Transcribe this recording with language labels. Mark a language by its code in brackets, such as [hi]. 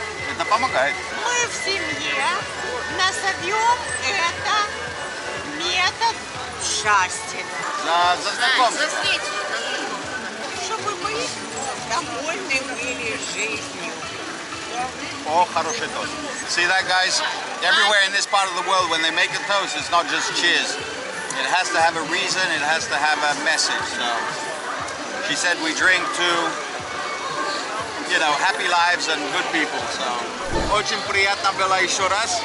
[ru] Это помогает. Мы в семье назовем это метод... Счастье. За знакомство. За встречу. Чтобы мы довольны были жизнью. О, хороший тост. [en] See that, guys? Everywhere in this part of the world, when they make a toast, it's not just cheers. It has to have a reason, it has to have a message. So, she said we drink to, you know, happy lives and good people. So. [ru] Очень приятно было еще раз.